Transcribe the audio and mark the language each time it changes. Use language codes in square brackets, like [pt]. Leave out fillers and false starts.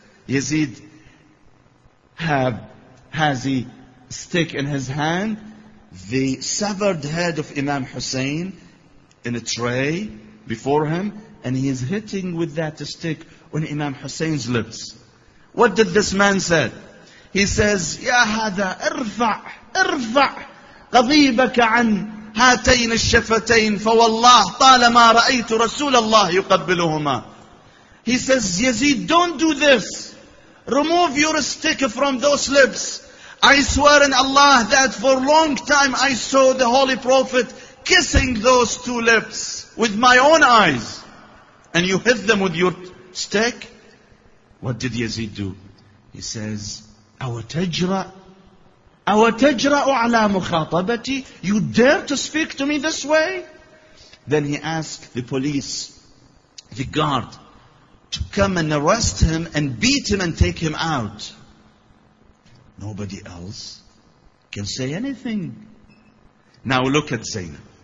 [en] Yazid has a stick in his hand, the severed head of Imam Hussein in a tray before him, and he is hitting with that stick on Imam Hussein's lips. What did this man say? He says, [ar] Ya hada, irfa' qadibaka an هاتين الشفتين فوالله طالما رأيت رسول الله يقبلهما. [en] He says, Yazid, don't do this. Remove your stick from those lips. I swear in Allah that for a long time I saw the Holy Prophet kissing those two lips with my own eyes. And you hit them with your stick. What did Yazid do? He says, [ar] أَوَتَجْرَأُ عَلَى مُخَاطَبَتِي? [en] You dare to speak to me this way? Then he asked the police, the guard, to come and arrest him and beat him and take him out. Nobody else can say anything. Now look at Zainab.